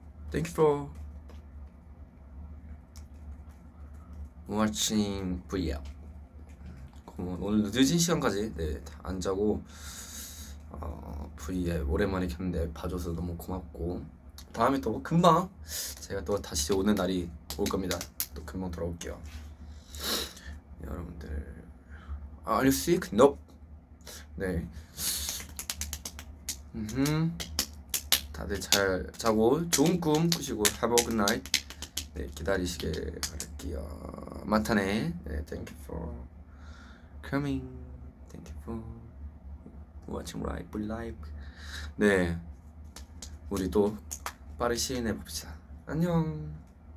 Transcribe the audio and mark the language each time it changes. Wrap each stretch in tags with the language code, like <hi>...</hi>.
<en>Thank you for watching VL.</en> <ko>오늘 늦은 시간까지 네, 안 자고 VL 오랜만에 켰는데 봐줘서 너무 고맙고 다음에 또 금방 제가 또 다시 오는 날이 올 겁니다. 또 금방 돌아올게요. 여러분들</ko> <en>Are you sick? Nope. 네.</en> <ko>다들 잘 자고 좋은 꿈 꾸시고</ko> <en>Have a good night.</en> <ko>네, 기다리시길 바랄게요.</ko> <ja>마타네.</ja> <en>네, thank you for coming. Thank you for watching live live.</en> <ko>네, 우리 또 빠른 시일 내봅시다. 안녕.</ko>